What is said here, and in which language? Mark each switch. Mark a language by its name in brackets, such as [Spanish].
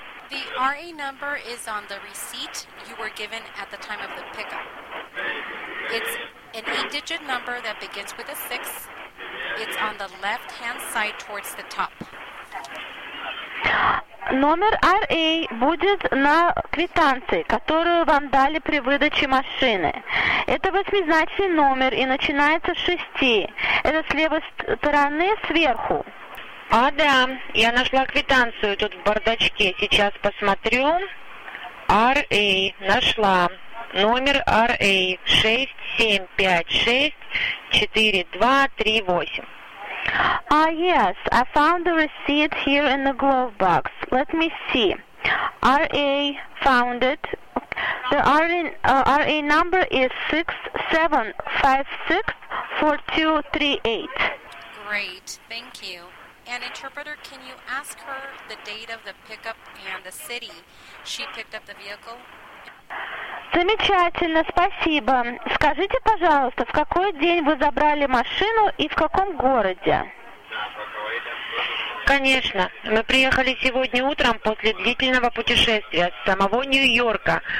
[English] The RA number is on the receipt you were given at the time of the pickup. It's an 8-digit number that begins with a 6. It's on the left-hand side towards the top. [Russian] Номер RA будет на квитанции, которую вам дали при выдаче машины. Это восьмизначный номер и начинается с 6. Это с левой стороны сверху. А, да, я нашла квитанцию тут в бардачке. Сейчас посмотрю. RA, нашла. Номер RA 6756-4238. [English] Ah, yes, I found the receipt here in the glove box. Let me see. RA found it. The RA number is 6756-4238. Great, thank you. And interpreter, can you ask her the date of the pickup and the city she picked up the vehicle? [Russian] Замечательно, спасибо. Скажите, пожалуйста, в какой день вы забрали машину и в каком городе? Конечно. Мы приехали сегодня утром после длительного путешествия с самого Нью-Йорка.